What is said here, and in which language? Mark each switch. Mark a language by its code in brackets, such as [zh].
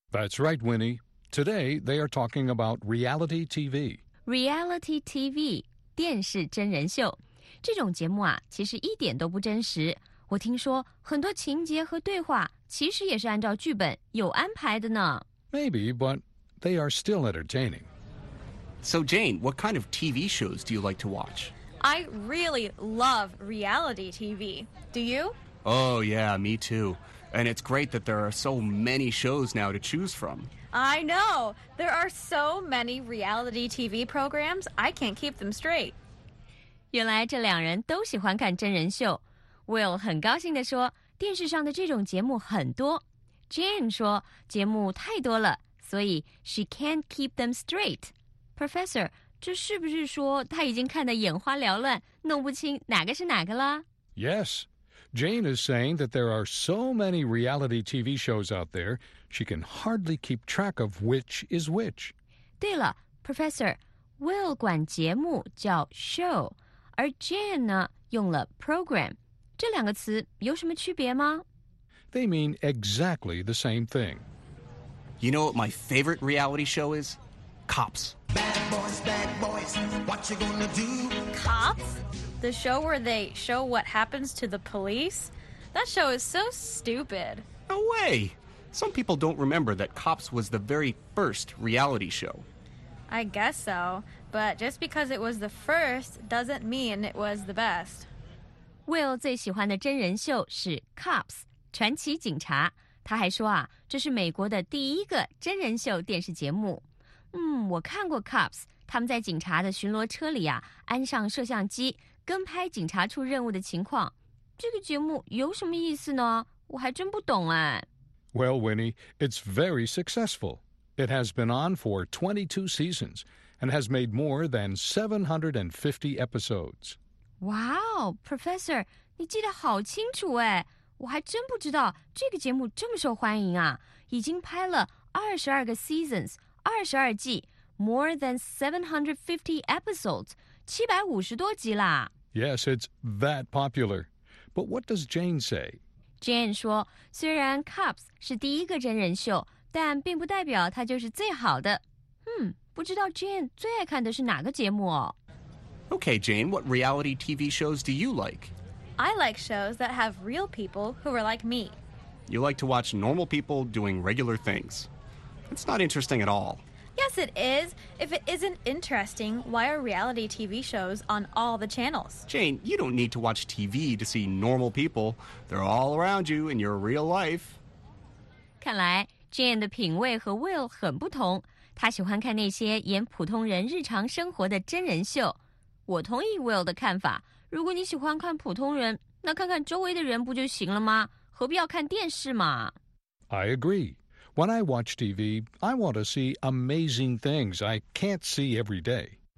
[en] That's right, Winnie. Today, they are talking about reality TV. [zh] Reality TV, 电视真人秀。这种节目啊，其实一点都不真实。我听说很多情节和对话其实也是按照剧本有安排的呢。 [en] Maybe, but they are still entertaining. So, Jane, what kind of TV shows do you like to watch? I really love reality TV. Do you? Oh, yeah, me too. And it's great that there are so many shows now to choose from. I know. There are so many reality TV programs, I can't keep them straight. [zh] 原来这两人都喜欢看真人秀。 Will 很高兴地说，电视上的这种节目很多。 Jane 说，节目太多了，所以 [en] she can't keep them straight. [zh] Professor, 这是不是说他已经看得眼花缭乱，弄不清哪个是哪个了？ [en] Yes. Jane is saying that there are so many reality TV shows out there, she can hardly keep track of which is which. [zh] 对了 ,Professor, Will 管节目叫 show, 而 Jane 呢用了 program. 这两个词有什么区别吗？ [en] They mean exactly the same thing. You know what my favorite reality show is? Cops. Bad boys, what you gonna do? Cops? The show where they show what happens to the police? That show is so stupid. No way! Some people don't remember that Cops was the very first reality show. I guess so, but just because it was the first doesn't mean it was the best. [zh] Will 最喜欢的真人秀是 Cops, 传奇警察。他还说啊，这是美国的第一个真人秀电视节目。我看过 Cops, 他们在警察的巡逻车里啊，安上摄像机跟拍警察出任务的情况，这个节目有什么意思呢？我还真不懂哎。 [en] Well, Winnie, it's very successful. It has been on for 22 seasons and has made more than 750 episodes. [zh] Wow, Professor, 你记得好清楚哎！我还真不知道这个节目这么受欢迎啊！已经拍了22个 seasons, 22季 ， [en] more than 750 episodes. [zh] 750多集啦。 [en] Yes, it's that popular. But what does Jane say? [zh] Jane 说，虽然 Cops 是第一个真人秀，但并不代表它就是最好的。嗯，不知道 Jane 最爱看的是哪个节目哦。 [en] Okay, Jane, what reality TV shows do you like? I like shows that have real people who are like me. You like to watch normal people doing regular things. It's not interesting at all. Yes, it is. If it isn't interesting, why are reality TV shows on all the channels? Jane, you don't need to watch TV to see normal people. They're all around you in your real life. [zh] 看来 Jane 的品味和 Will 很不同。她喜欢看那些演普通人日常生活的真人秀。我同意 Will 的看法，如果你喜欢看普通人，那看看周围的人不就行了吗？何必要看电视嘛？ [en] I agree. When I watch TV, I want to see amazing things I can't see every day.